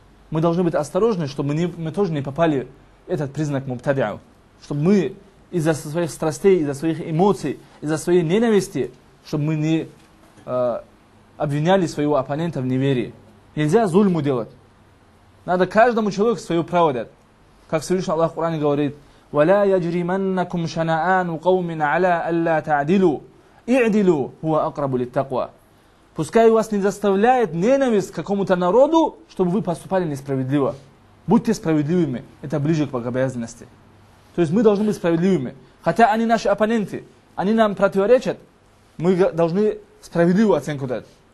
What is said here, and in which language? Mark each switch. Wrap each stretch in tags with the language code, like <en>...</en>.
<ru>Мы должны быть осторожны, чтобы мы тоже не попали в этот признак мубтадиу. Чтобы мы из-за своих страстей, из-за своих эмоций, из-за своей ненависти, чтобы мы не обвиняли своего оппонента в неверии. Нельзя зульму делать. Надо каждому человеку свое право дать. Как Всевышний Аллах в Коране говорит,</ru> <ar>وَلَا يَجْرِمَنَّكُمْ شَنَآنُ قَوْمٍ عَلَىٰ أَلَّا تَعْدِلُوا اِعْدِلُوا هُوَ أَقْرَبُ لِلتَّقْوَى.</ar> <ru>Пускай вас не заставляет ненависть к какому-то народу, чтобы вы поступали несправедливо. Будьте справедливыми, это ближе к богобоязненности. То есть мы должны быть справедливыми. Хотя они наши оппоненты, они нам противоречат, мы должны справедливую оценку дать.</ru>